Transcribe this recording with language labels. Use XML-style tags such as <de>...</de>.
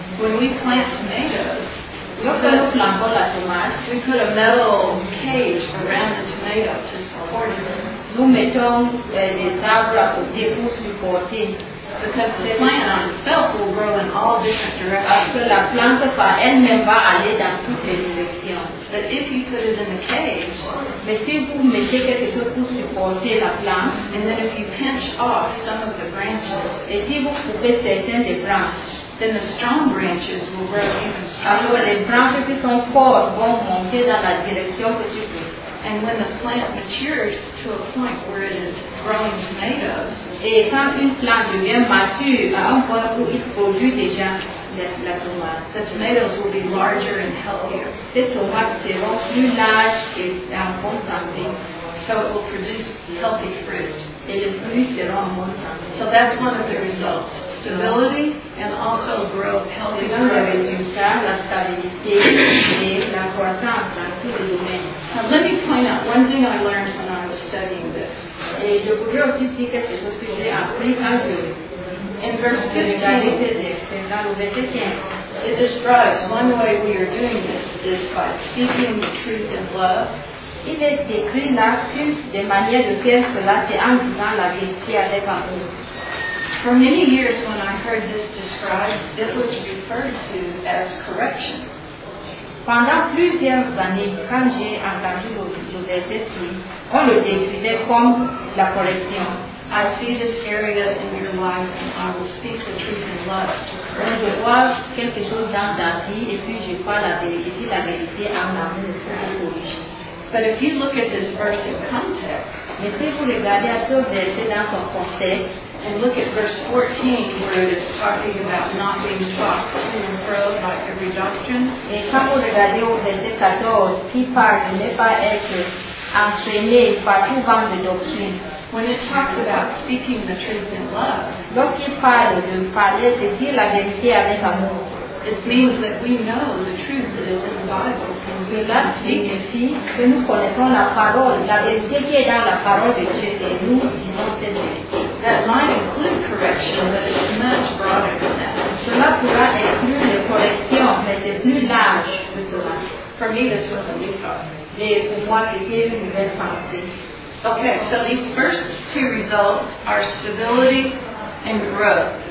<en>When we plant tomatoes, we put a metal cage around the tomato to support it.</en> <fr>Nous mettons des arbres pour supporter.</fr> <en>Because the plant itself will grow in all different directions.</en> <fr>Parce que la plante par elle-même va aller dans toutes les directions.</fr> <en>But if you put it in the cage,</en> <fr>mais si vous mettez quelque chose pour supporter la plante,</fr> <en>and then if you pinch off some of the branches,</en> <fr>et si vous coupez certaines des branches,</fr> <en>then the strong branches will grow even stronger.</en> <fr>Alors les branches qui sont fortes vont monter dans la direction que tu veux.</fr> <en>And when the plant matures to a point where it is growing tomatoes,</en> <fr>et quand une plante devient mature à un point où il produit déjà la tomate,</fr> <en>the tomatoes will be larger and healthier.</en> <fr>Ces tomates seront plus larges et en bonne santé.</fr> <en>So it will produce healthy fruit.</en> <fr>Et les fruits seront en bonne santé.</fr> <en>So that's one of the results. Stability and also growth, healthy fruit.</en> <fr>La stabilité et la croissance dans tous les domaines.</fr> <en>Now let me point out one thing I learned when I was studying this.</en> <fr>Et je voudrais aussi dire quelque chose que j'ai appris quand je</fr> <en>in verse 15, it describes one way we are doing this is by speaking the truth in love.</en> <fr>Il est écrit là de manière de faire cela, c'est en disant la vérité avec amour.</fr> <en>For many years when I heard this described, it was referred to as correction.</en> <fr>Pendant plusieurs années, quand j'ai entendu le verset, on le décrivait comme la correction.</fr> <en>I see this area in your life and I will speak the truth in love to correct.</en> <fr>Je vois quelque chose dans ta vie et puis je vois la vérité, la vérité en amour pour te corriger.</fr> <en>But if you look at this verse in context,</en> <fr>mais si vous regardez à ce verset dans son contexte,</fr> <en>and look at verse 14 where it is talking about not being tossed to and fro by every doctrine.</en> <fr>Et quand vous regardez au verset 14, qui parle de ne pas être entraîné par tout vent de doctrine.</fr> <en>When it talks about speaking the truth in love,</en> <fr>lorsqu'il parle de parler de dire la vérité avec amour,</fr> <en>it means that we know the truth that is in the Bible.</en> <fr>Cela signifie que nous connaissons la parole, la vérité qui est dans la parole de Dieu, et nous disons cette vérité.</fr> <en>That might include correction, but it's much broader than that.</en> <fr>Cela pourra inclure les corrections, mais c'est plus large que cela.</fr> <en>For me, this was a new thought.</en> <fr>Et pour moi, c'était une nouvelle pensée.</fr> <en>Okay, so these first two results are stability and growth.</en>